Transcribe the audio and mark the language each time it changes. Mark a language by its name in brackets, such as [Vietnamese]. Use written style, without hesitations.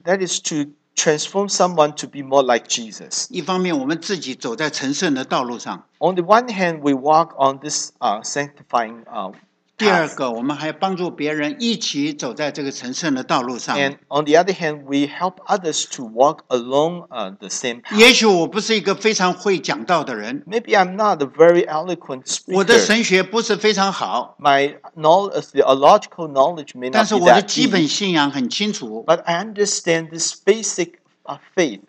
[English] That is to transform someone to be more like Jesus. [Chinese] 一方面我们自己走在成圣的道路上。 [English] On the one hand, we walk on this sanctifying path. [Chinese] 第二个,我们还帮助别人一起走在这个成圣的道路上。 [English] And on the other hand, we help others to walk along the same path. [Chinese] 也许我不是一个非常会讲道的人。 [English] Maybe I'm not a very eloquent speaker. [Chinese] 我的神学不是非常好。 [English] My knowledge, theological knowledge may not be that deep. [Chinese] 但是我的基本信仰很清楚。 [English] But I understand this basic faith,